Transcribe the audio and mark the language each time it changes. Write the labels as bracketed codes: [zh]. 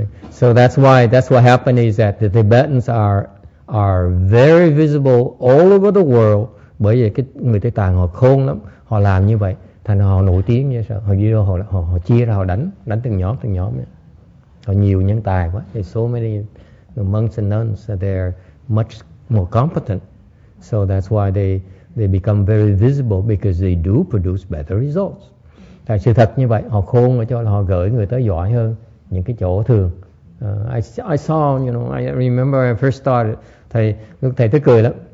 [en] So that's what happened is that the Tibetans are very visible all over the world. [vi] Bởi vì cái người Tây Tạng họ khôn lắm, họ làm như vậy, thành họ nổi tiếng như sao? Họ đi đâu họ chia ra họ đánh từng nhóm. Họ nhiều nhân tài quá. [en] There's so many monks and nuns that they're much more competent. So that's why they become very visible because they do produce better results. [vi] Tại sự thật như vậy, họ khôn ở chỗ là họ gửi người tới giỏi hơn những cái chỗ thường. [en] I saw, you know, I remember when I first started, [vi] thầy tức cười lắm.